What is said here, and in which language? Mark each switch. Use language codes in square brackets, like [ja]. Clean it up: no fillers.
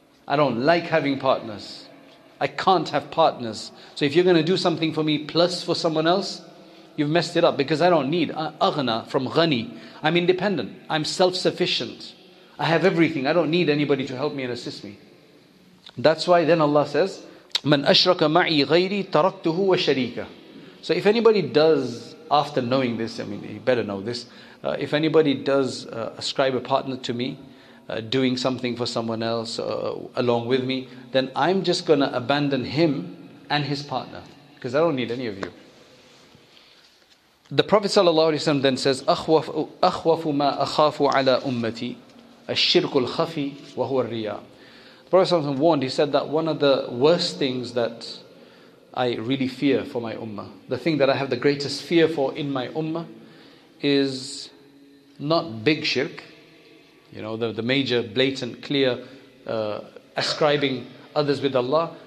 [en] I don't like having partners. I can't have partners. So if you're going to do something for me plus for someone else, you've messed it up, because I don't need. Aghna from ghani. I'm independent. I'm self-sufficient. I have everything. I don't need anybody to help me and assist me. That's why then Allah says, [ar] مَنْ أَشْرَكَ مَعِي غَيْرِي تَرَكْتُهُ وَشَرِيكَ. [en] So if anybody does, after knowing this, I mean, you better know this. If anybody does ascribe a partner to me, doing something for someone else along with me, then I'm just going to abandon him and his partner, because I don't need any of you. The Prophet ﷺ then says, [ar] أَخْوَفُ مَا أَخَافُ عَلَى أُمَّتِي الشِّرْكُ الْخَفِي وَهُوَ الرِّيَا. [en] The Prophet ﷺ warned, he said that one of the worst things that I really fear for my ummah, the thing that I have the greatest fear for in my ummah, is not big shirk. You know, the major, blatant, clear ascribing others with Allah.